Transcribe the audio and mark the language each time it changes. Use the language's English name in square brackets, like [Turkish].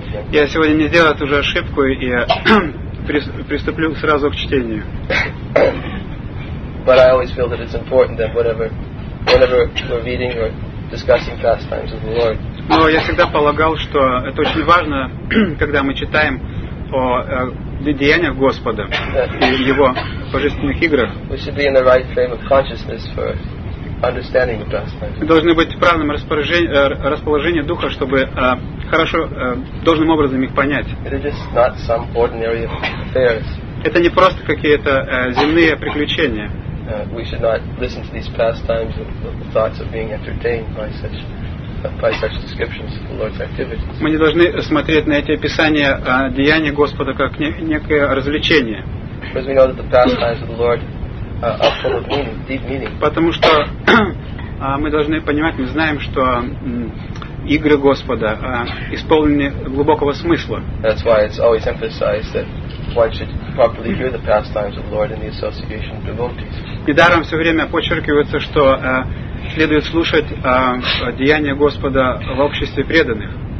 [Russian] Я сегодня не сделаю ту же ошибку и приступлю сразу к чтению. [English] But I always feel that it's important that whenever we're reading or discussing pastimes of the Lord. [Russian] Но я всегда полагал, что это очень важно, когда мы читаем о деяниях Господа и Его божественных играх. [English] We should be in the right frame of consciousness for understanding the pastimes. [Russian] Должны быть в правильном расположении духа, чтобы хорошо, должным образом их понять. [English] It is just not some ordinary affairs. [Russian] Это не просто какие-то земные приключения. [English] We should not listen to these pastimes and the thoughts of being entertained by such descriptions of the Lord's activities. [Russian] Мы не должны смотреть на эти описания деяний Господа как некое развлечение. [English] Because we know that the pastimes of the Lord are full of meaning, deep meaning. [Russian] Потому что мы должны понимать, мы знаем, что игры Господа исполнены глубокого смысла. [English] That's why it's always emphasized that one should properly hear the pastimes of the Lord in the association of devotees. [Russian] Недаром все время подчеркивается, что следует слушать деяния Господа в обществе преданных.